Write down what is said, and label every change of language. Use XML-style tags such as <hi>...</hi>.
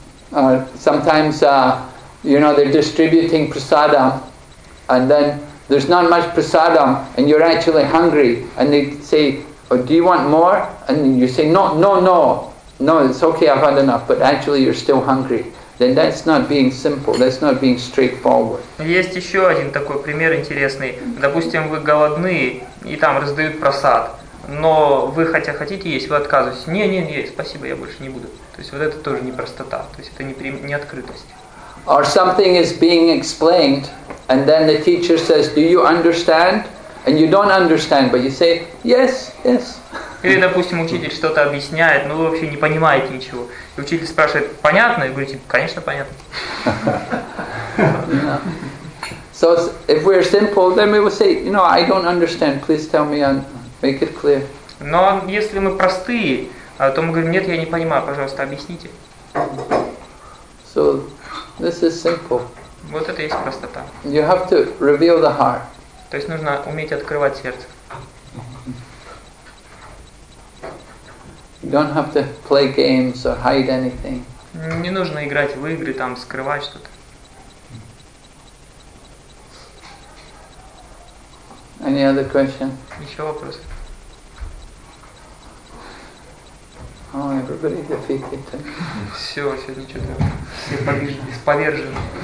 <en>Sometimes, you know, they're distributing prasadam, and then there's not much prasadam, and you're actually hungry, and they say, oh, "Do you want more?" And you say, "No, no, no." no, it's okay, I've had enough, but actually you're still hungry, then that's not being simple, that's not being straightforward.</en> <ru>Есть еще один такой пример интересный. Допустим, вы голодны, и там раздают просад, но вы хотя хотите есть, вы отказываетесь. Не-не-не, спасибо, я больше не буду. То есть вот это тоже непростота, то есть это не открытость.</ru> <en>Or something is being explained, and then the teacher says, do you understand? And you don't understand, but you say, yes, yes.</en> <ru>Или, допустим, учитель что-то объясняет, но вы вообще не понимаете ничего. И учитель спрашивает, понятно? И вы говорите, конечно, понятно.</ru> <en>So if we're simple, then we will say, you know, I don't understand, please tell me and make it clear.</en> <ru>Но если мы простые, то мы говорим, нет, я не понимаю, пожалуйста, объясните.</ru> <en>So this is simple.</en> <ru>Вот это есть простота.</ru> <en>You have to reveal the heart.</en> <ru>То есть нужно уметь открывать сердце.</ru> <en>You don't have to play games or hide anything.</en> <ru>Не нужно играть в игры, там скрывать что-то.</ru> <en>Any other question?</en> <ru>Еще вопрос.</ru> <en>Oh, everybody defeated.</en> <ru>Все, сегодня что-то все повержены.</ru>